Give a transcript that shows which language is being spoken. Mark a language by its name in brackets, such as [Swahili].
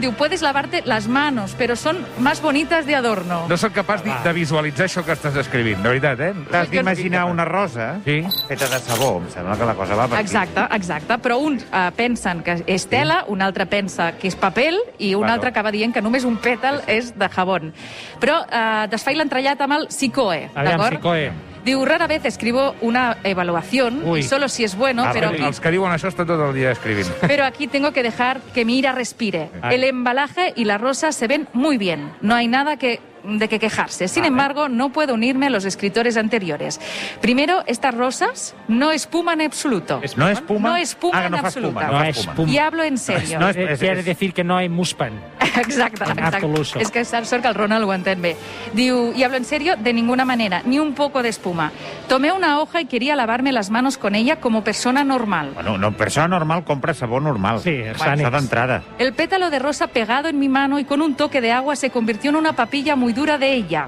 [Spanish] Diu, puedes lavarte las manos, pero son más bonitas de adorno. [Catalan] No soc capaç de visualitzar això que estàs escrivint, de veritat, eh? T'has d'imaginar una rosa feta de sabó, em sembla que la cosa va per aquí. Exacte, però uns pensen que és tela, un altre pensa que és papel i un altre acaba dient que només un pètal és de jabón. Però desfai l'entrellat amb el Sicoe, d'acord? Aviam, Sicoe. [Spanish] Diu, rara vez escribo una evaluación, y solo si es bueno, pero aquí... [Catalan] Els que diuen això estan tot el dia escrivint. [Spanish] Pero aquí tengo que dejar que mi ira respire. El embalaje y la rosa se ven muy bien. No hay nada que... de que quejarse. Sin embargo, no puedo unirme a los escritores anteriores. Primero, estas rosas no espuman en absoluto. ¿No espuman? No espuman en absoluto. No espuman. Y hablo en serio. No es... Quiere decir que no hay muspan. [Catalan] Exacte. És que és sort que el Ronald ho entén bé. [Spanish] Diu, y hablo en serio, de ninguna manera, ni un poco de espuma. Tomé una hoja y quería lavarme las manos con ella como persona normal. [Catalan] Bueno, no, persona normal compra sabó normal. Sí, s'ha d'entrada. [Spanish] El pétalo de rosa pegado en mi mano y con un toque de agua se convirtió en una papilla muy muy dura de ella.